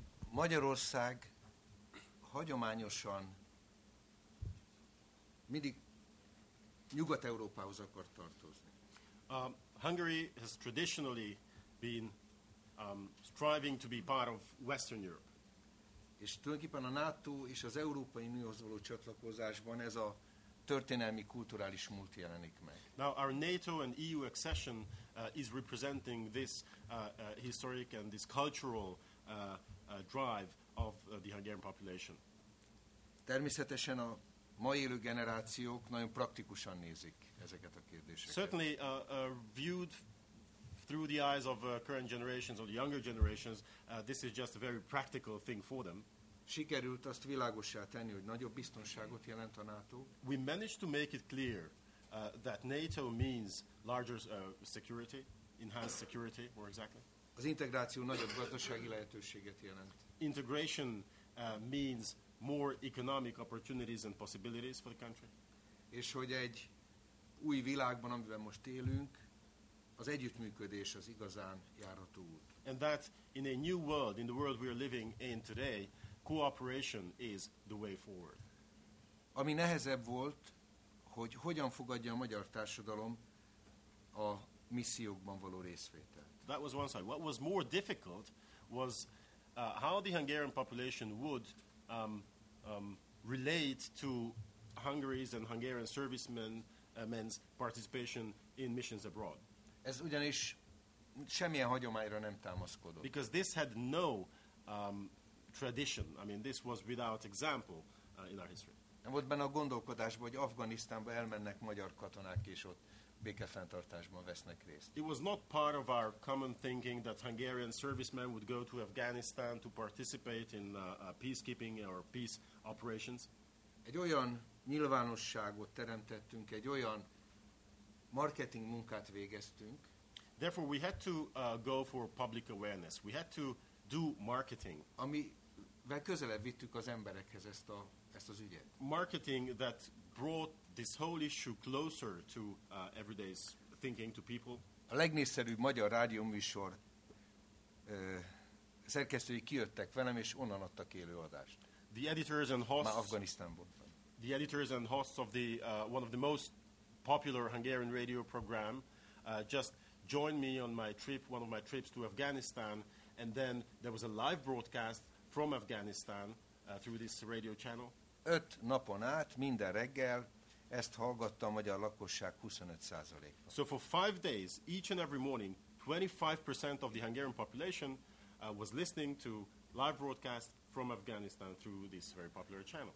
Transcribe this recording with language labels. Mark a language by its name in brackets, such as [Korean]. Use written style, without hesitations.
[Hungarian] Magyarország hagyományosan mindig Nyugat-Európához akar tartozni. [English] Hungary has traditionally been striving to be part of Western Europe. [Hungarian] És tulajdonképpen a NATO és az Európai Unióhoz való csatlakozásban ez a történelmi kulturális múlt jelenik meg. [English] Now our NATO and EU accession is representing this historic and this cultural drive of the Hungarian population. [Hungarian] Természetesen a ma élő generációk nagyon praktikusan nézik ezeket a kérdéseket. [English] Certainly, viewed through the eyes of current generations or the younger generations, this is just a very practical thing for them. [Hungarian] Sikerült azt világossá tenni, hogy nagyobb biztonságot jelent a NATO. [English] We managed to make it clear that NATO means larger security, enhanced security, more exactly. [Hungarian] Az integráció nagyobb gazdasági lehetőséget jelent. [English] Integration means more economic opportunities and possibilities for the country. [Hungarian] És hogy egy új világban, amiben most élünk, az együttműködés az igazán járható út. [English] And that in a new world, in the world we are living in today, cooperation is the way forward. [Hungarian] Ami nehezebb volt, hogy hogyan fogadja a magyar társadalom a missziókban való részvételt. [English] That was one side. What was more difficult was how the Hungarian population would relate to Hungary's and Hungarian servicemen men's participation in missions abroad. [Hungarian] Ez ugyanis semmilyen hagyományra nem támaszkodott. [English] Because this had no tradition. I mean, this was without example in our history. [Hungarian] Nem volt benne a gondolkodásban, hogy Afganisztánba elmennek magyar katonák, és ott békefenntartásban vesznek részt. [English] It was not part of our common thinking that Hungarian servicemen would go to Afghanistan to participate in peacekeeping or peace operations. [Hungarian] Egy olyan nyilvánosságot teremtettünk, egy olyan marketing munkát végeztünk. [English] Therefore, we had to go for public awareness. We had to do marketing. [Hungarian] Amivel közelebb vittük az emberekhez ezt az ügyet. [English] Marketing that brought this whole issue closer to everyday's thinking to people. [Hungarian] A legnépszerűbb magyar rádióműsor szerkesztői kijöttek velem, és onnan adtak élő adást. [English] The editors and hosts. [Hungarian] Már Afganisztánban. [English] The editors and hosts of the one of the most popular Hungarian radio program just joined me on my trip, one of my trips to Afghanistan, and then there was a live broadcast from Afghanistan through this radio channel. [Hungarian] 5 napon át, minden reggel, ezt hallgatta a magyar lakosság 25%. [English] So for 5 days, each and every morning, 25% of the Hungarian population was listening to live broadcast from Afghanistan through this very popular channel.